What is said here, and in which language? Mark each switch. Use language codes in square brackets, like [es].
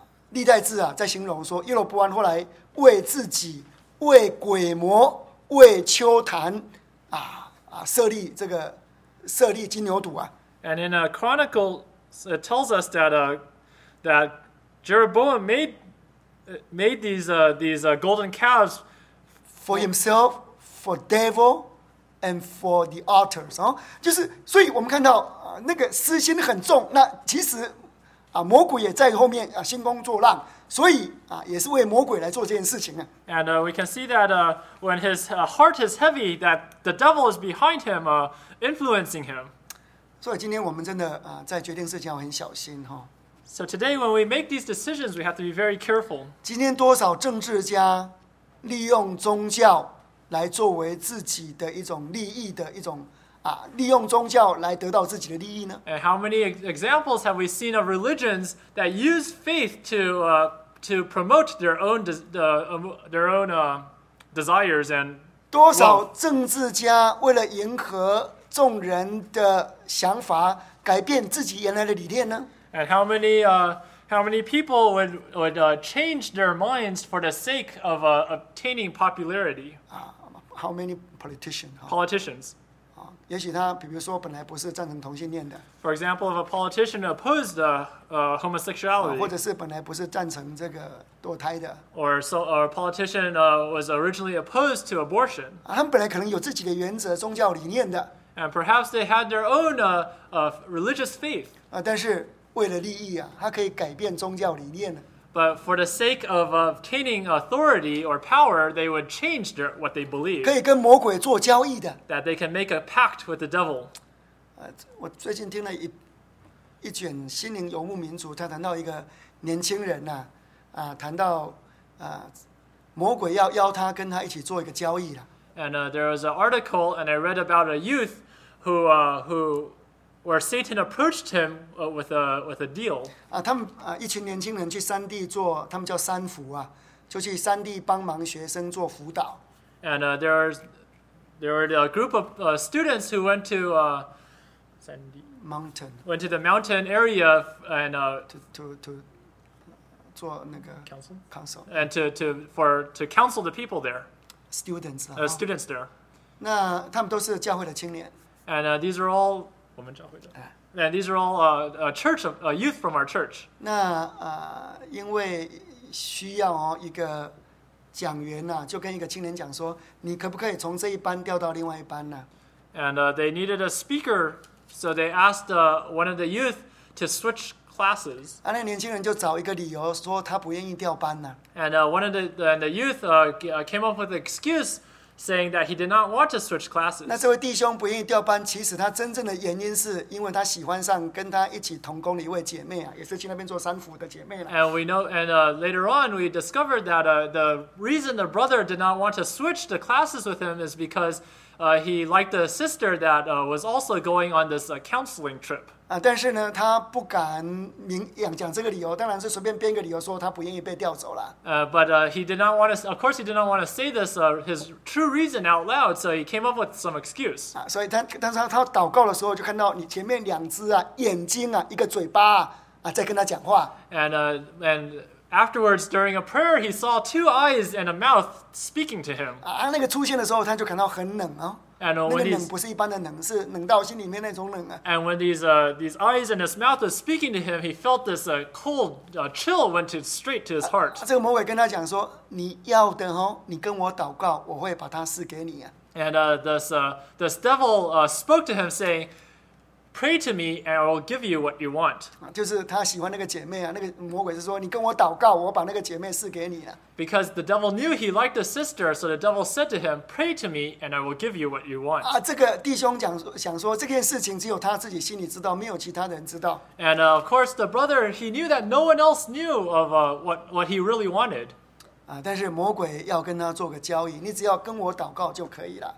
[zh] 历代志啊，在形容说耶罗波安后来为自己、为鬼魔、为丘坛设立金牛犊啊。 [en] And in a chronicle, it tells us that that Jeroboam made these golden calves for himself, for devil, and for the altars. [zh] 就是所以我们看到。那个私心很重，那其实魔鬼也在后面兴风作浪，所以啊，也是为魔鬼来做这件事情啊。 [en] And we can see that when his heart is heavy, that the devil is behind him, influencing him. [zh] 所以今天我们真的啊，在决定事情要很小心哈。 [en] So today, when we make these decisions, we have to be very careful. [zh] 今天多少政治家利用宗教来作为自己的一种利益的一种啊，利用宗教来得到自己的利益呢？ [en] And how many examples have we seen of religions that use faith to promote their own desires and [zh] 多少政治家为了迎合众人的想法，改变自己原来的理念呢？ [en] And how many people would change their minds for the sake of obtaining popularity? How many politicians? Politicians. [zh] 也许他比如说本来不是赞成同性恋的。 [en] For example, if a politician opposed homosexuality. [zh] 或者是本来不是赞成这个堕胎的。 [en] Or so a politician was originally opposed to abortion. [zh] 他们本来可能有自己的原则、宗教理念的。 [en] And perhaps they had their own religious faith. [zh] 但是为了利益啊，他可以改变宗教理念呢。 [en] But for the sake of obtaining authority or power, they would change what they believe. [zh] 可以跟魔鬼做交易的。 [en] That they can make a pact with the devil. [zh] 我最近听了一卷《心灵游牧民族》，他谈到一个年轻人呐，谈到魔鬼要邀他跟他一起做一个交易了。 [en] And there was an article, and I read about a youth who. Where Satan approached him with a deal. [zh] 他们一群年轻人去山地做，他们叫山辅啊，就去山地帮忙学生做辅导。 [en] And there were a group of students who went to Sandy Mountain. Went to the mountain area and [zh] to 做那个 [en] council and to counsel the people there. Students. Students there. 那他们都是教会的青年。 And these are all. And these are all church of youth from our church. [zh] 那因为需要一个讲员呐，就跟一个青年讲说，你可不可以从这一班调到另外一班呢 [en] ？And they needed a speaker, so they asked one of the youth to switch classes. [zh] 啊，那年轻人就找一个理由说他不愿意调班呢。 [en] And one of the youth came up with an excuse. Saying that he did not want to switch classes. [zh] 那这位弟兄不愿意调班，其实他真正的原因是因为他喜欢上跟他一起同工的一位姐妹啊，也是去那边做三福的姐妹了。 [en] And we know, and later on, we discovered that the reason the brother did not want to switch the classes with him is because he liked the sister that was also going on this counseling trip. [zh] 但是呢，他不敢明讲这个理由，当然是随便编个理由说他不愿意被调走了。 [en] He did not want to say this his true reason out loud, so he came up with some excuse. [zh] 所以他祷告的时候就看到你前面两只啊眼睛啊一个嘴巴 在跟他讲话。 [en] And afterwards, during a prayer, he saw two eyes and a mouth speaking to him. [zh] 那个出现的时候，他就感到很冷哦。 [en] And when these [zh] 那个冷不是一般的冷，是冷到心里面那种冷啊。 [en] And when these eyes and his mouth was speaking to him, he felt this cold chill went straight to his heart. [zh] 这个魔鬼跟他讲说，你要的哦，你跟我祷告，我会把它赐给你啊。 [en] And this devil spoke to him saying. Pray to me, and I will give you what you want. [zh] 就是他喜欢那个姐妹啊，那个魔鬼是说，你跟我祷告，我把那个姐妹赐给你了。 [en] Because the devil knew he liked the sister, so the devil said to him, "Pray to me, and I will give you what you want." [zh] 这个弟兄想说这件事情只有他自己心里知道，没有其他人知道。 [en] And of course, the brother he knew that no one else knew of what he really wanted. [zh] 但是魔鬼要跟他做个交易，你只要跟我祷告就可以了。